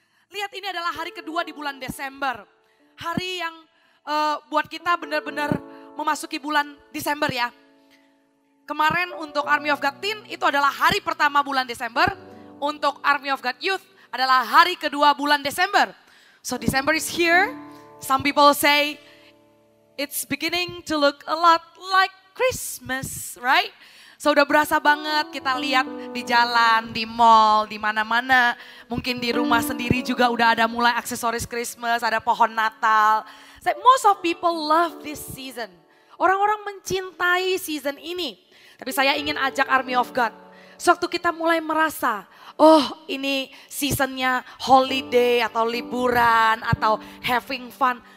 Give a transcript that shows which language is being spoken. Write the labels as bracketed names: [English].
[Indonesian] Lihat, ini adalah hari kedua di bulan Desember. Hari yang buat kita benar-benar memasuki bulan Desember ya. Kemarin untuk Army of God Teen itu adalah hari pertama bulan Desember. Untuk Army of God Youth adalah hari kedua bulan Desember. [English] So December is here. Some people say it's beginning to look a lot like Christmas, right? [Indonesian] So udah berasa banget kita lihat di jalan, di mall, di mana-mana. Mungkin di rumah sendiri juga udah ada mulai aksesoris Christmas, ada pohon Natal. [English] So, most of people love this season. [Indonesian] Orang-orang mencintai season ini. Tapi saya ingin ajak Army of God. Sewaktu kita mulai merasa, oh ini seasonnya holiday atau liburan atau having fun.